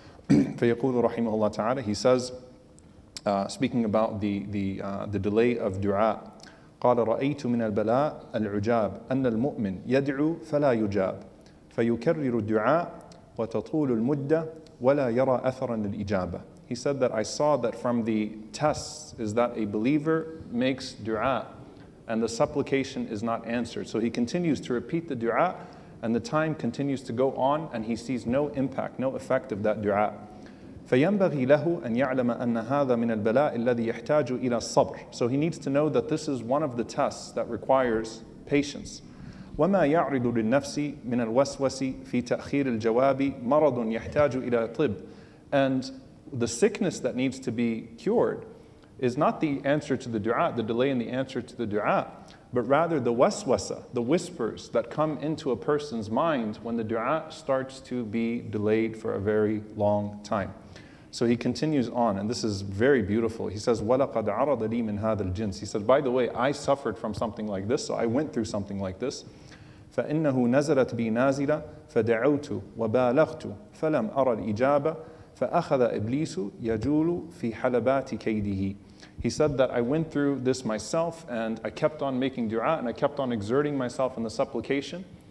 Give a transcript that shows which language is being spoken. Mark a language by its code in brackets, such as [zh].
[ar] Fayaqulu rahimahullah ta'ala, [en] he says, speaking about the delay of du'a, [ar] قَالَ رَأَيْتُ مِنَ الْبَلَاءَ الْعُجَابِ أَنَّ الْمُؤْمِنْ يَدْعُ فَلَا يُجَابِ فَيُكَرِّرُ الدُّعَاءَ وَتَطُولُ الْمُدَّةِ وَلَا يَرَى أَثَرًا لِلْإِجَابَةِ. [en] He said that I saw that from the tests is that a believer makes dua and the supplication is not answered. So he continues to repeat the dua and the time continues to go on and he sees no impact, no effect of that dua. [ar] فَيَنْبَغِي لَهُ أَنْ يَعْلَمَ أَنَّ هَذَا مِنَ الْبَلَاءِ الَّذِي يَحْتَاجُ إِلَى الصَّبْرِ. [en] So he needs to know that this is one of the tests that requires patience. [ar] وَمَا يَعْرِضُ لِلنَّفْسِ مِنَ الْوَسْوَسِ فِي تَأْخِيرِ الْجَوَابِ مَرَضٌ يَحْتَاجُ إِلَىٰ طِبٍ. [en] And the sickness that needs to be cured is not the answer to the dua, the delay in the answer to the dua, but rather the waswasa, the whispers that come into a person's mind when the dua starts to be delayed for a very long time. So he continues on, and this is very beautiful. He says, [ar] وَلَقَدْ عَرَضَ لِي مِنْ هَذَا الْجِنْسِ. [en] He says, by the way, I suffered from something like this, so I went through something like this. [ar] فَإِنَّهُ نَزَلَتْ بِي نَازِلَ فَدَعَوْتُ وَبَالَغْتُ فَلَمْ أَرَ الْإِجَابَ فَأَخَذَ إِبْلِيسُ يَجُولُ فِي حَلَبَاتِ كَيْدِهِ. [en] He said that I went through this myself, and I kept on making dua, and I kept on exerting myself in the supplication.